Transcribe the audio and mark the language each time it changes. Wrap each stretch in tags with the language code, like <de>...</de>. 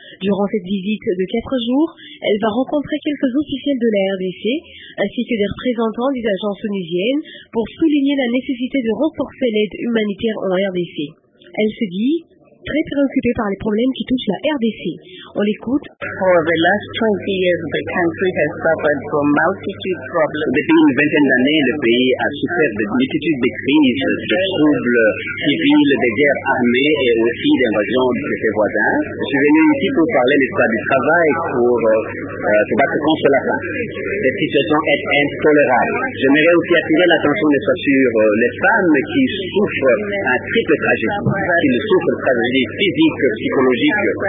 <fr>Durant cette visite de 4 jours, elle va rencontrer quelques officiels de la RDC, ainsi que des représentants des agences onusiennes, pour souligner la nécessité de renforcer l'aide humanitaire en RDC. Elle se dit très préoccupée par les problèmes qui touchent la RDC. On l'écoute.</fr> <en>For the last 20 years, the country has suffered from multitude problems.</en> <fr>Depuis une vingtaine d'années, le pays a souffert de multitudes de crises, de troubles civils, de guerres armées et aussi d'invasions de ses voisins. Je suis venu ici pour parler de l'état du travail pour se battre contre la faim. Cette situation est intolérable. J'aimerais aussi attirer l'attention des soins sur les femmes qui souffrent un triple tragédie, qui ne souffrent pas physique, psychologique.</fr>